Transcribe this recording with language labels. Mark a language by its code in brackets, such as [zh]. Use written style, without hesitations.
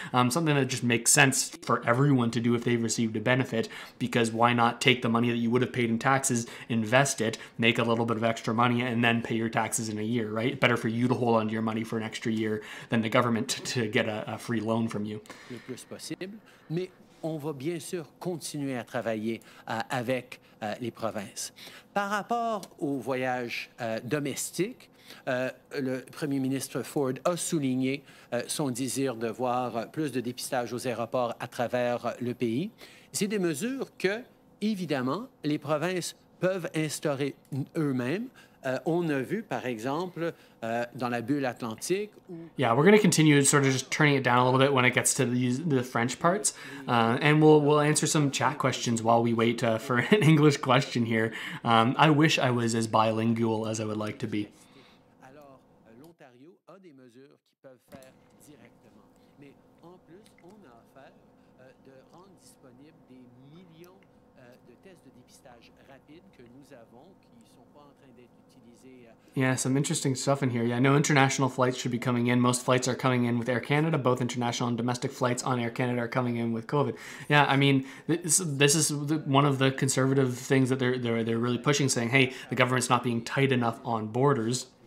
[en] Something that just makes sense for everyone to do if they've received a benefit, because why not take the money that you would have paid in taxes, invest it, make a little bit of extra money, and then pay your taxes in a year, right? Better for you to hold onto your money for an extra year than the government to get a free loan from you. [fr] Plus possible, mais on va bien sûr continuer à travailler avec les provinces. Par rapport aux voyages domestiques, le premier ministre Ford a souligné son désir de voir plus de dépistage aux aéroports à travers le pays. C'est des mesures que, évidemment, les provinces peuvent instaurer eux-mêmes. On a vu, par exemple, dans la bulle atlantique. [en] Yeah, we're going to continue sort of just turning it down a little bit when it gets to the French parts. And we'll answer some chat questions while we wait for an English question here. I wish I was as bilingual as I would like to be. [fr] Alors, l'Ontario a des mesures qui peuvent faire directement. Mais en plus, on a offert de rendre disponibles des millions de tests de dépistage rapide que nous avons qui ne sont pas en train d'être. [en] Yeah, some interesting stuff in here. Yeah, no international flights should be coming in. Most flights are coming in with Air Canada. Both international and domestic flights on Air Canada are coming in with COVID. Yeah, I mean, this is one of the conservative things that they're really pushing, saying, hey, the government's not being tight enough on borders.